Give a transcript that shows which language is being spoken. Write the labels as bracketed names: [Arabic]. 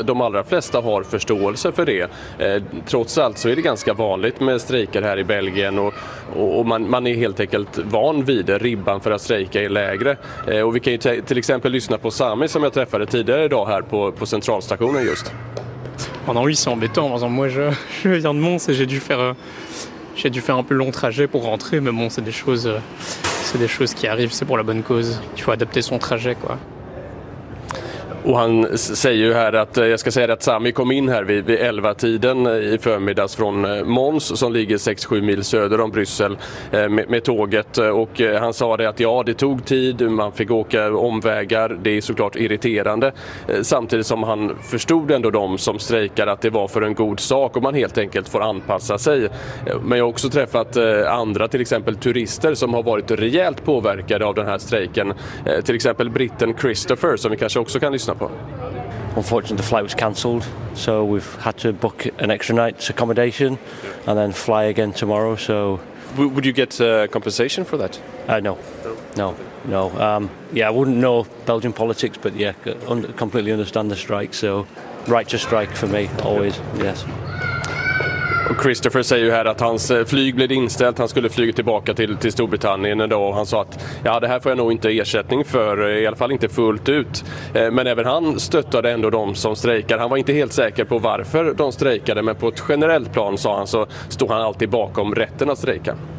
[Swedish] De allra flesta har förståelse för det. Trots allt så är det ganska vanligt med strejker här i Belgien och man är helt enkelt van vid det. Ribban för att strejka är lägre. Och vi kan ju till exempel lyssna på Sami som jag träffade tidigare idag här på centralstationen just. [French] Ja, oh non, oui, c'est embêtant. Par exemple, moi je viens de Mons et j'ai dû faire J'ai dû faire un peu long trajet pour rentrer, mais bon, c'est des choses qui arrivent, c'est pour la bonne cause. Il faut adapter son trajet, quoi. [Swedish] Och han säger ju här att, jag ska säga att Sami kom in här vid 11-tiden i förmiddags från Mons som ligger 6-7 mil söder om Bryssel med tåget. Och han sa det att ja, det tog tid, man fick åka omvägar, det är såklart irriterande. Samtidigt som han förstod ändå de som strejkar att det var för en god sak och man helt enkelt får anpassa sig. Men jag har också träffat andra, till exempel turister som har varit rejält påverkade av den här strejken. Till exempel britten Christopher som vi kanske också kan lyssna. [English] Unfortunately, the flight was cancelled, so we've had to book an extra night's accommodation and then fly again tomorrow. So, would you get compensation for that? No. Yeah, I wouldn't know Belgian politics, but yeah, completely understand the strike. So, right to strike for me, always, yes. [Swedish] Christopher säger ju här att hans flyg blev inställt, han skulle flyga tillbaka till Storbritannien idag och han sa att ja, det här får jag nog inte ersättning för, i alla fall inte fullt ut. Men även han stöttade ändå de som strejkar. Han var inte helt säker på varför de strejkade men på ett generellt plan sa han så stod han alltid bakom rätten att strejka.